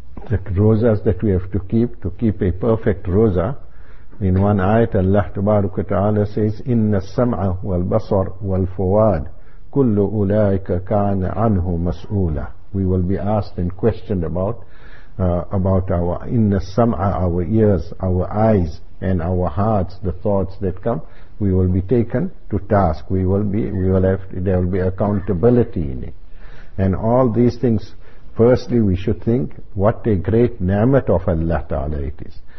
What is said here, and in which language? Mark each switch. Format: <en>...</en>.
<en>The rosas that we have to keep a perfect rosa. In one ayat, Allah Tabaraka Ta'ala says,</en> <ar>إِنَّ السَّمْعَ وَالْبَصَرْ وَالْفُوَادِ كُلُّ أُولَٰئِكَ كَانَ عَنْهُ مَسْؤُولًا.</ar> <en>We will be asked and questioned about our</en> <ar>إِنَّ السَّمْعَ,</ar> <en>our ears, our eyes, and our hearts, the thoughts that come. We will be taken to task. There will be accountability in it. And all these things, firstly, we should think what a great ni'mat of Allah Ta'ala it is.</en>